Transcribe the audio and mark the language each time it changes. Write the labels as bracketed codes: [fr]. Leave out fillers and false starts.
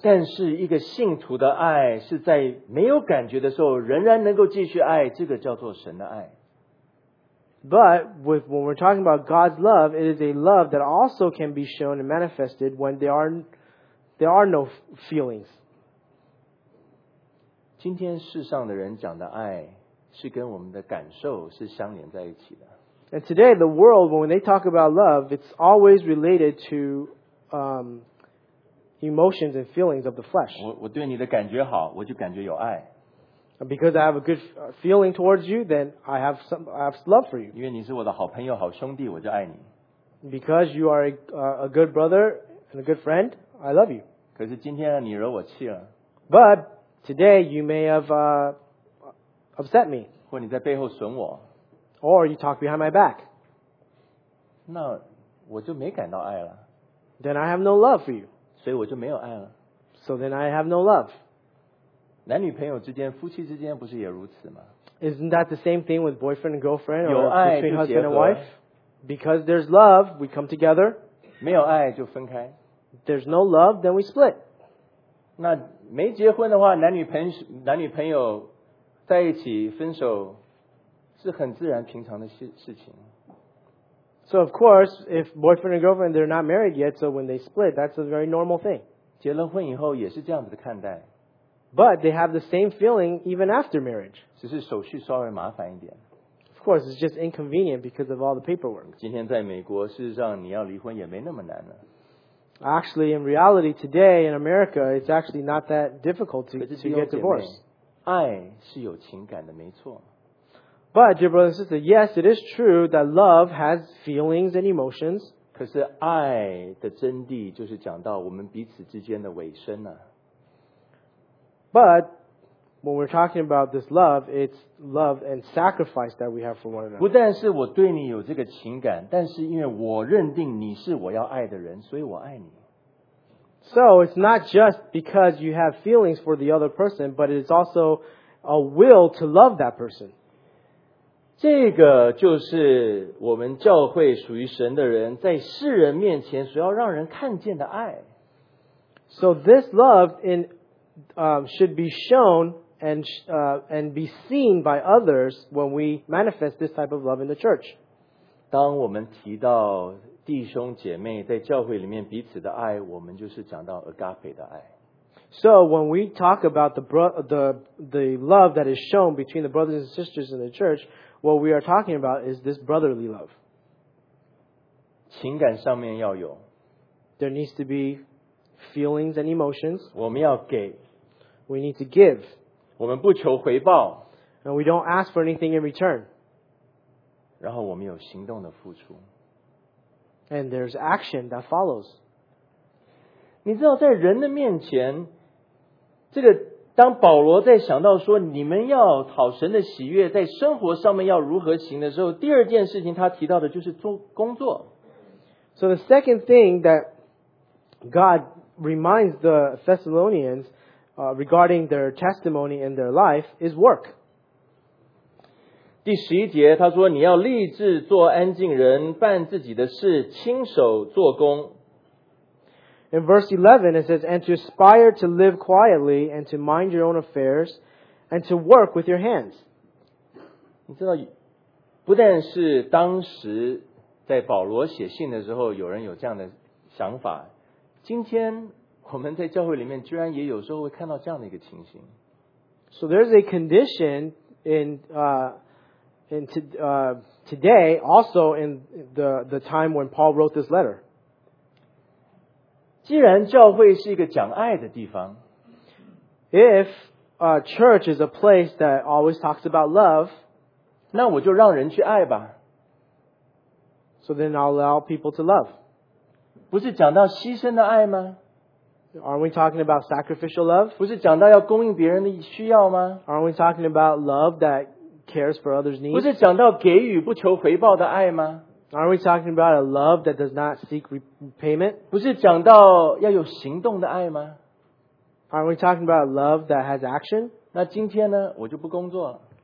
[zh] 但是一个信徒的爱是在没有感觉的时候仍然能够继续爱，这个叫做神的爱。 [en] But when we're talking about God's love, it is a love that also can be shown and manifested when there are no feelings. [zh] 今天世上的人讲的爱是跟我们的感受是相连在一起的。 [en] And today the world, when they talk about love, it's always related to emotions and feelings of the flesh. [zh] 我对你的感觉好，我就感觉有爱。 [en] Because I have a good feeling towards you, then I have love for you. [zh] 因为你是我的好朋友、好兄弟，我就爱你。 [en] Because you are a good brother and a good friend, I love you. [zh] 可是今天你惹我气了。 [en] But today you may have upset me. [zh] 或你在背后损我。 [en] Or you talk behind my back. [zh] 那我就没感到爱了。 [en] Then I have no love for you. [zh] 所以我就没有爱了。 [en] So then I have no love. [zh] 男女朋友之间、夫妻之间不是也如此吗？ [en] Isn't that the same thing with boyfriend and girlfriend? [zh] 有爱就结合。 [en] Between husband and wife? Because there's love, we come together. [zh] 没有爱就分开。 [en] There's no love, then we split. [zh] 那没结婚的话，男女朋友在一起分手是很自然平常的事情。 [en] So of course, if boyfriend and girlfriend, they're not married yet, so when they split, that's a very normal thing. [zh] 结了婚以后也是这样子的看待。 [en] But they have the same feeling even after marriage. [zh] 只是手续稍微麻烦一点。 [en] Of course, it's just inconvenient because of all the paperwork. [zh] 今天在美国，事实上你要离婚也没那么难了。 [en] Actually, in reality, today in America, it's actually not that difficult to get divorced. [zh] 爱是有情感的，没错。 [en] But, dear brothers and sisters, yes, it is true that love has feelings and emotions. [zh] 可是爱的真谛就是讲到我们彼此之间的委身啊。 [en] But, when we're talking about this love, it's love and sacrifice that we have for one another. [zh] 不但是我对你有这个情感，但是因为我认定你是我要爱的人，所以我爱你。 [en] So, it's not just because you have feelings for the other person, but it's also a will to love that person. [zh] 这个就是我们教会属于神的人在世人面前所要让人看见的爱。 [en] So, this love in should be shown and be seen by others when we manifest this type of love in the church. [zh] 当我们提到弟兄姐妹在教会里面彼此的爱，我们就是讲到 agape 的爱。 [en] So when we talk about the love that is shown between the brothers and sisters in the church, what we are talking about is this brotherly love. [zh] 情感上面要有。 [en] There needs to be feelings and emotions. [zh] 我们要给。 [en] We need to give. [zh] 我们不求回报。 [en] And we don't ask for anything in return. [zh] 然后我们有行动的付出。 [en] And there's action that follows. [zh] 你知道在人的面前，这个当保罗在想到说你们要讨神的喜悦，在生活上面要如何行的时候，第二件事情他提到的就是做工作。 [en] So the second thing that God reminds the Thessalonians regarding their testimony and their life is work. [zh] 第十一节他说你要立志做安静人，办自己的事，亲手做工。 [en] In verse 11 it says, and to aspire to live quietly and to mind your own affairs and to work with your hands. [zh] 你知道不但是当时在保罗写信的时候有人有这样的想法，今天我们在教会里面居然也有时候会看到这样的一个情形。 [en] So there's a condition today, also in the time when Paul wrote this letter. [zh] 既然教会是一个讲爱的地方， [en] if a church is a place that always talks about love, [zh] 那我就让人去爱吧。 [en] So then I'll allow people to love. [zh] 不是讲到牺牲的爱吗？ [en] Aren't we talking about sacrificial love? [zh] 不是讲到要供应别人的需要吗？ [en] Aren't we talking about love that cares for others' needs? [zh] 不是讲到给予不求回报的爱吗？ [en] Aren't we talking about a love that does not seek repayment? [zh] 不是讲到要有行动的爱吗？ [en] Aren't we talking about a love that has action? [zh] 那今天呢，我就不工作了。